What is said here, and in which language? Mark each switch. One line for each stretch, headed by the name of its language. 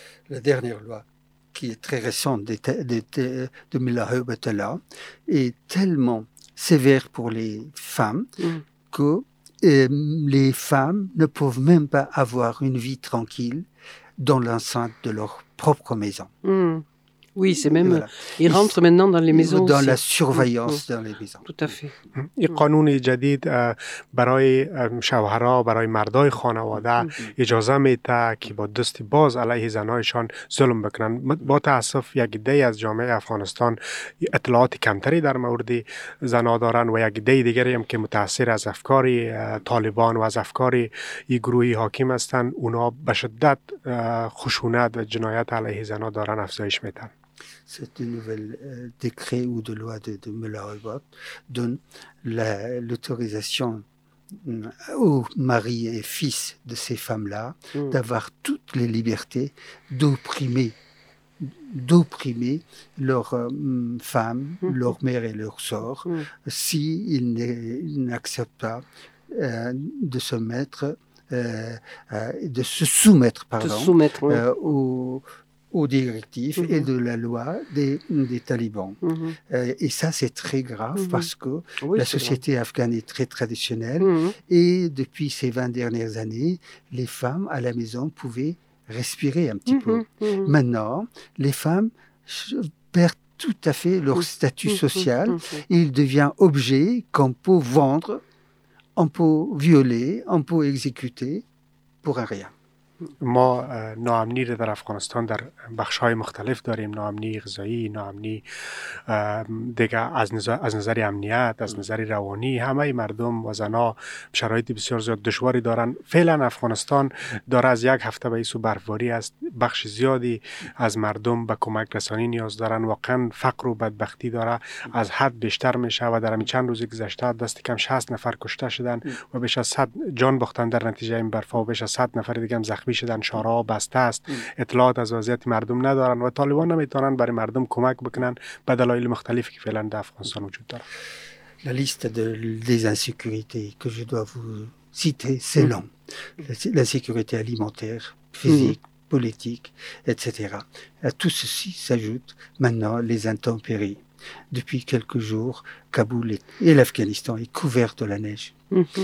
French: La dernière loi qui est très récente de Mullah Hébatullah, est tellement sévère pour les femmes que les femmes ne peuvent même pas avoir une vie tranquille dans l'enceinte de leur propre maison. Oui, c'est même... Voilà. Ils rentrent maintenant dans les maisons dans aussi. La surveillance dans les maisons. Tout à fait.
Persian: این قانون جدید برای شوهرها، برای مردای خانواده اجازه میده که با دست باز علیه زنایشان ظلم بکنن. با تاسف یک عده‌ای از جامعه افغانستان اطلاعات کمتری در مورد زنها دارن و یک عده دیگری هم که متاثر از افکار طالبان و از افکار این گروه حاکم هستن، اونا به شدت خشونت و جنایت علیه زنها دارن افزایش میدن.
French: C'est un nouvel décret ou de loi de Mullah Hébatullah donne l'autorisation aux maris et fils de ces femmes-là d'avoir toutes les libertés d'opprimer leurs femmes, leurs mères et leurs sœurs s'ils n'acceptent pas de se soumettre aux aux directives mm-hmm. et de la loi des talibans. Mm-hmm. Et ça, c'est très grave mm-hmm. parce que oui, la société afghane est très traditionnelle mm-hmm. et depuis ces 20 dernières années, les femmes à la maison pouvaient respirer un petit mm-hmm. peu. Mm-hmm. Maintenant, les femmes perdent tout à fait leur mm-hmm. statut social. Mm-hmm. Ils deviennent objets qu'on peut vendre, on peut violer, on peut exécuter pour un rien.
Persian: ما ناامنی رو در افغانستان در بخش‌های مختلف داریم، ناامنی غذایی، ناامنی دیگه از نظر امنیت، از نظر روانی، همه مردم و زنها شرایط بسیار زیاد دشواری دارن. فعلا افغانستان داره از یک هفته به این سو برفباری است، بخش زیادی از مردم به کمک رسانی نیاز دارن، واقعا فقر و بدبختی داره از حد بیشتر میشه و در همین چند روز گذشته دست کم 60 نفر کشته شدن و بیش از 100 جان باختن در نتیجه این برفا و بیش از 100 نفر دیگه هم زخمی شدن. شهرها بسته است، اطلاعات از وضعیت مردم ندارن و طالبان نمیتونن برای مردم کمک بکنن به دلایل مختلفی که فعلا در افغانستان وجود داره.
French: La liste des insécurités que je dois vous citer c'est long. L'insécurité alimentaire, physique, politique, etc. À tout ceci s'ajoutent maintenant les intempéries. Depuis quelques jours, Kaboul et l'Afghanistan est couvert de la neige. Mmh.